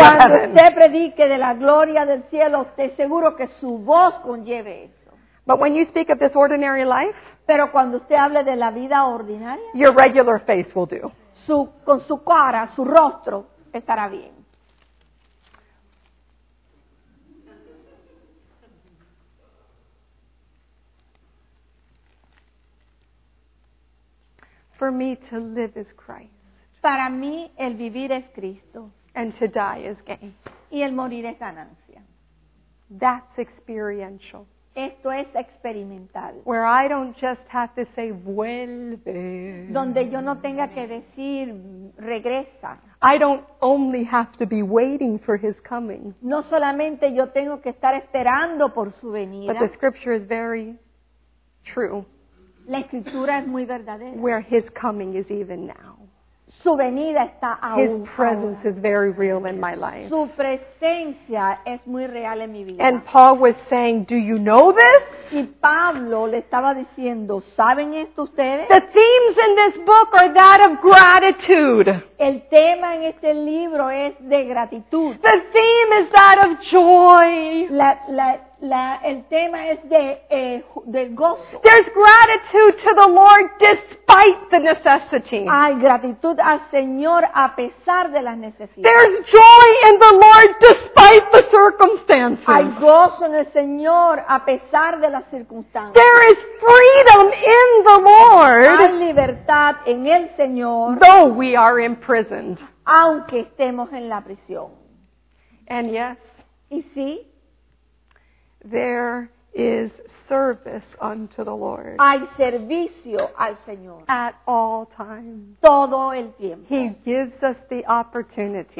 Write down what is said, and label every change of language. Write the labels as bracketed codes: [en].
[es] cuando [en] of heaven. [es] Cuando usted predique de la gloria del cielo, esté seguro que su voz conlleve eso. [en] But when you speak of this ordinary life, [es] pero cuando usted hable de la vida ordinaria, [en] your regular face will do. [es] Con su cara, su rostro, estará bien. [en] For me to live is Christ. [es] Para mí, el vivir es Cristo. [en] And to die is gain. [es] Y el morir es ganancia. [en] That's experiential. [es] Esto es experimental. [en] Where I don't just have to say, vuelve. [es] Donde yo no tenga que decir, regresa. [en] I don't only have to be waiting for his coming. [es] No solamente yo tengo que estar esperando por su venida. [en] But the scripture is very true. [es] La escritura es muy verdadera. [en] Where his coming is even now. [es] Su venida está aún. [en] His presence is very real in my life. [es] Su presencia es muy real en mi vida. [en] And Paul was saying, do you know this? [es] Y Pablo le estaba diciendo, ¿saben esto ustedes? [en] The themes in this book are that of gratitude. [es] El tema en este libro es de gratitud. [en] The theme is that of joy. [es] El tema es de gozo. [en] There's gratitude to the Lord despite the necessity. [es] Hay gratitud al Señor a pesar de las necesidades. [en] There's joy in the Lord despite the circumstances. [es] Hay gozo en el Señor a pesar de las circunstancias. [en] There is freedom in the Lord. [es] Hay libertad en el Señor. [en] Though we are imprisoned. [es] Aunque estemos en la prisión. [en] And yes. [es] Y sí. [en] There is service unto the Lord. [es] Hay servicio al Señor. [en] At all times. [es] Todo el tiempo. [en] He gives us the opportunity.